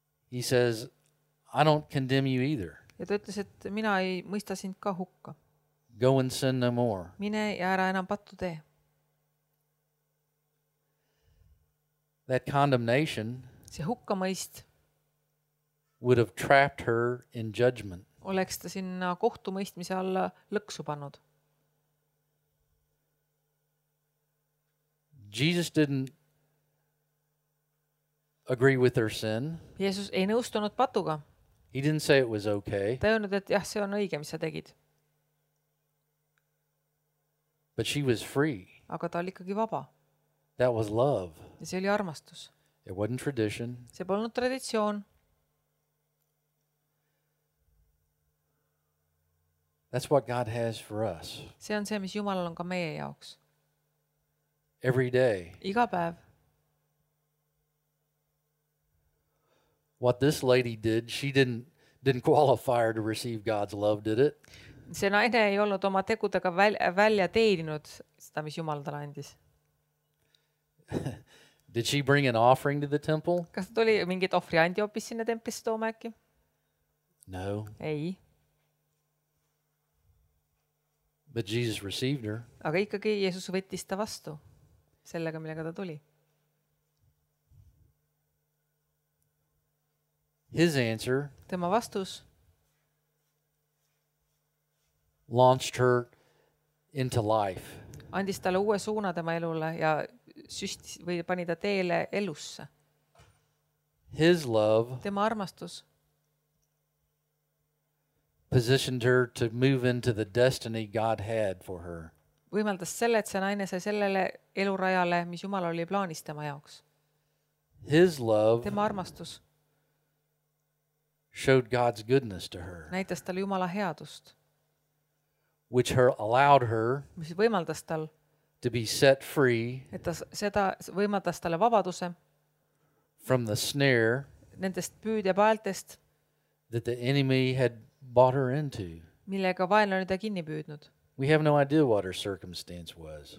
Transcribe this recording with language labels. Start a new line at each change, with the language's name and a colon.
English: He says, I don't condemn you either.
Estonian: Ja ta ütles, et mina ei mõista sind ka hukka.
English: Go and sin no more.
Estonian: Mine ja ära enam pattu tee.
English: That condemnation.
Estonian: See hukka mõist.
English: Would have trapped her in judgment.
Estonian: Oleks ta sinna kohtu mõistmise alla lõksu pannud.
English: Jesus didn't agree with her sin.
Estonian: Jeesus ei nõustunud patuga.
English: He didn't say it was okay.
Estonian: Ta ei olnud, et jah, see on õige, mis sa tegid.
English: But she was free.
Estonian: Aga ta oli ikkagi vaba.
English: That was love.
Estonian: Ja see oli armastus.
English: It wasn't tradition.
Estonian: See polnud traditsioon.
English: That's what God has for us.
Estonian: See on see, mis Jumalal on ka meie jaoks.
English: Every day.
Estonian: Iga päev.
English: What this lady did, she didn't qualify her to receive God's love, did it?
Estonian: See naine ei olnud oma tegudega välja teeninud seda, mis Jumal tal andis.
English: Did she bring an offering to the temple?
Estonian: Kas ta tuli mingit ohvri andi hoopis sinna templisse tooma äkki?
English: No.
Estonian: Ei.
English: But Jesus received her.
Estonian: Aga ikkagi Jeesus võttis ta vastu sellega, millega ta tuli.
English: His answer.
Estonian: Tema vastus.
English: Launched her into life.
Estonian: Andis talle uue suuna tema elule ja süstis või pani ta teele elusse.
English: His love.
Estonian: Tema armastus.
English: Positioned her to move into the destiny God had for her.
Estonian: Võimaldas selle, et see naine sai sellele elurajale, mis Jumal oli plaanis tema jaoks.
English: His love.
Estonian: Tema armastus.
English: Showed God's goodness to her.
Estonian: Näitas talle Jumala headust.
English: Which her allowed her.
Estonian: Mis võimaldas tal.
English: To be set free.
Estonian: Et ta seda võimaldas talle vabaduse.
English: From the snare.
Estonian: Nendest püüde paeltest.
English: That the enemy had bought her into.
Estonian: Millega vaenlane ta kinni püüdnud.
English: We have no idea what her circumstance was.